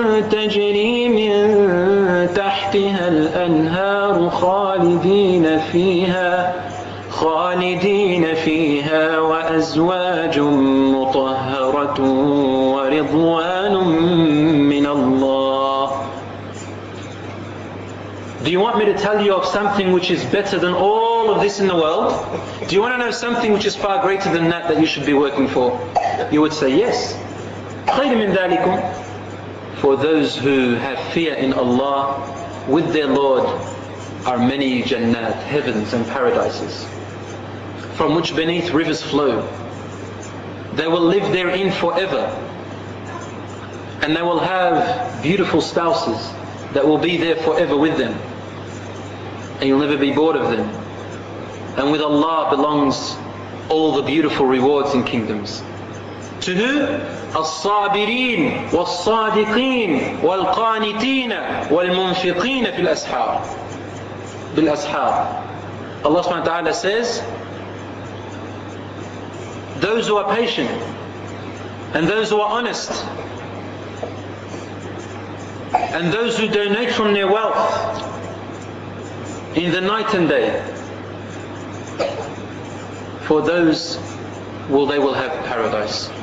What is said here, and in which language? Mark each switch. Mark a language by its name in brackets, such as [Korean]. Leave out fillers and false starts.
[Arabic] تجري من تحتها الأنهار خالدين فيها خالدين فيها وأزواج مطهرة ورضوان من الله. [English] Do you want me to tell you of something which is better than all of this in the world? Do you want to know something which is far greater than that that you should be working for? You would say yes. [Arabic] خير من ذلكم. [English] For those who have fear in Allah with their Lord are many jannat, heavens and paradises, from which beneath rivers flow. They will live therein forever, and they will have beautiful spouses that will be there forever with them, and you'll never be bored of them. And with Allah belongs all the beautiful rewards and kingdoms. To who? [Arabic] الصابرين والصادقين والقانتين والمنفقين في الأسحار. بالأسحار. [English] Allah subhanahu wa ta'ala says, those who are patient and those who are honest and those who donate from their wealth in the night and day, for those they will have paradise.